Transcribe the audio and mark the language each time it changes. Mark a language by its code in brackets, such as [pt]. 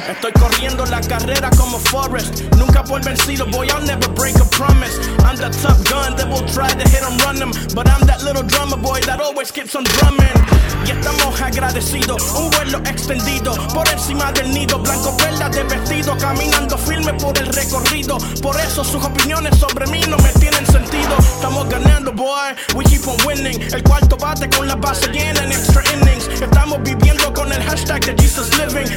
[es] Estoy corriendo la carrera como Forrest, nunca voy vencido, [en] boy, I'll never break a promise. I'm the tough gun that will try to hit him, run him, but I'm that little drummer boy that always keeps on drumming. [es] Y estamos agradecidos, un vuelo extendido por encima del nido, blanco perla de vestido, caminando firme por el recorrido. Por eso sus opiniones sobre mí no me tienen sentido. Estamos ganando, [en] boy, we keep on winning. [es] El cuarto bate con la base llena en extra innings. Estamos viviendo con el hashtag de Jesus Living.